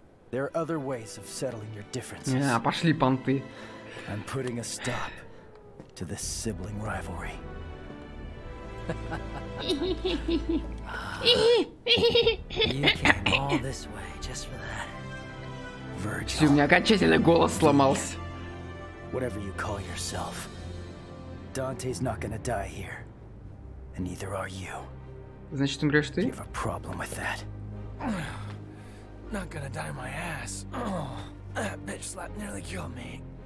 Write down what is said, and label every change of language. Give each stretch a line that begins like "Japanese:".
English: There are other ways of settling your differences.
Russian: А, пошли понты.
English: I'm putting a stop to this sibling rivalry. You came all this way just for that. Virgil.
Russian: Все, у меня окончательно голос сломался.
English: Whatever you call yourself, Dante's not gonna die here, and neither are you.
Russian: Значит, умрешь ты?
English: You have a problem with that. Not gonna die my ass. That bitch slap nearly killed me.